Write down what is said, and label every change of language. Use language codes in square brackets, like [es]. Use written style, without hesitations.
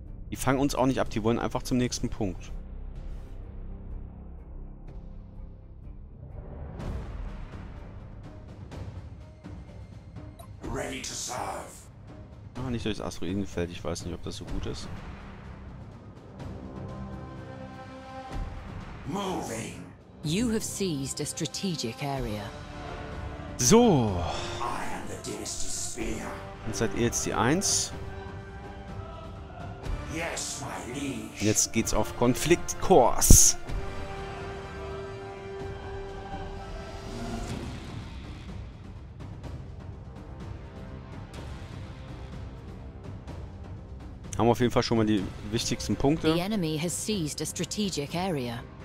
[de] Die fangen uns auch nicht ab, die wollen einfach zum nächsten Punkt. [en] Ready to serve. [de] Ah, nicht durchs Asteroidenfeld, ich weiß nicht, ob das so gut ist. [en] Moving. You have seized a strategic area. So. I am the Dynasty Spear. [de] Und seid ihr jetzt die Eins? [en] Yes, my liege. [de] Jetzt geht's auf Konfliktkurs. Haben wir auf jeden Fall schon mal die wichtigsten Punkte. [en] The enemy has seized a strategic area.